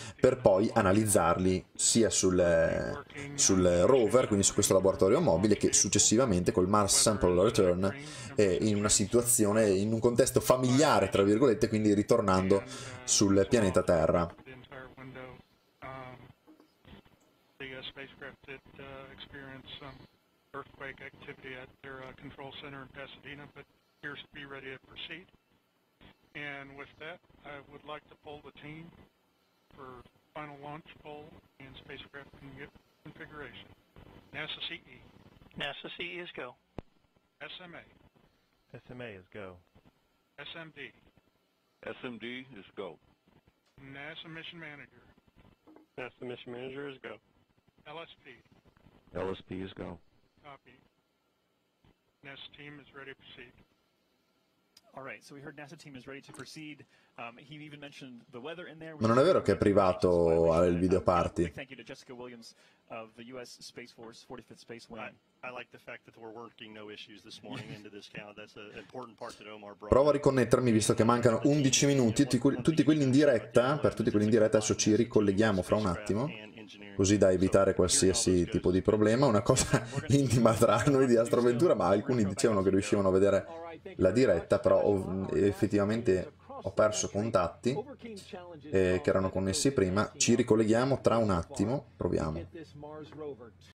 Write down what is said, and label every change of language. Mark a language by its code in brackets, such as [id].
[it] per poi analizzarli sia sul rover, quindi su questo laboratorio mobile, che successivamente col Mars Sample Return, in una situazione, in un contesto familiare tra virgolette, quindi ritornando sul pianeta Terra. [en] Activity at their control center in Pasadena, but appears to be ready to proceed. And with that, I would like to poll the team for final launch poll and spacecraft configuration. NASA CE. NASA CE is go. SMA. SMA is go. SMD. SMD is go. NASA Mission Manager. NASA Mission Manager is go. LSP. LSP is go. Copy. NASA team is ready to proceed. All right, so we heard NASA team is ready to proceed. He even mentioned the weather in there. [it] Ma non è vero che è privato il video party. [en] Thank you to Jessica Williams of the U.S. Space Force 45th Space Wing. I like the fact that we're working no issues this morning into this count. That's an important part that Omar brought. [it] Provo a riconnettermi visto che mancano 11 minuti. Tutti quelli in diretta, adesso ci ricolleghiamo fra un attimo, così da evitare qualsiasi tipo di problema. Una cosa intima tra noi di Astroventura, ma alcuni dicevano che riuscivano a vedere la diretta, però effettivamente ho perso contatti che erano connessi prima. Ci ricolleghiamo tra un attimo, proviamo.